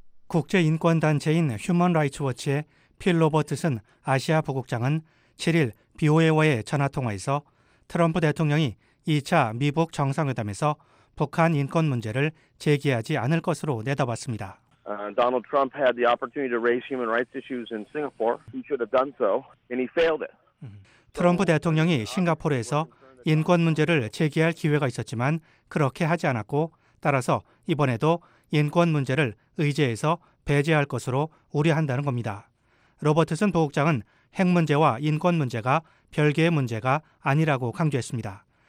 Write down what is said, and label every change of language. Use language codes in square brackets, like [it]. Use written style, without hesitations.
[ko] 국제인권단체인 휴먼 라이츠 워치의 필 로버트슨 아시아 부국장은 7일 BOA와의 전화통화에서 트럼프 대통령이 2차 미북 정상회담에서 북한 인권 문제를 제기하지 않을 것으로 내다봤습니다. [en] Donald Trump had the opportunity to raise human rights issues in Singapore. He should have done so, and he failed it. [ko] 트럼프 대통령이 싱가포르에서 인권 문제를 제기할 기회가 있었지만 그렇게 하지 않았고 따라서 이번에도 인권 문제를 의제에서 배제할 것으로 우려한다는 겁니다. 로버트슨 부국장은 핵 문제와 인권 문제가 별개의 문제가 아니라고 강조했습니다.